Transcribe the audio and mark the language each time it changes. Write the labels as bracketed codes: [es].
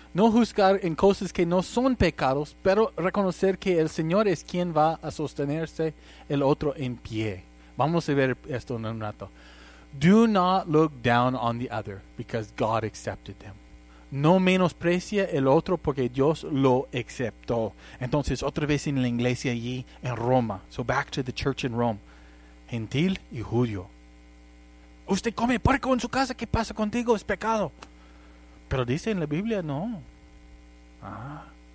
[es] No juzgar en cosas que no son pecados, pero reconocer que el Señor es quien va a sostenerse el otro en pie. Vamos a ver esto en un rato. [en] Do not look down on the other because God accepted them. [es] No menosprecie el otro porque Dios lo aceptó. Entonces, otra vez en la iglesia allí en Roma. [en] So back to the church in Rome. [es] Gentil y judío. Usted come puerco en su casa, ¿qué pasa contigo? Es pecado. Pero dice en la Biblia, no. Ah.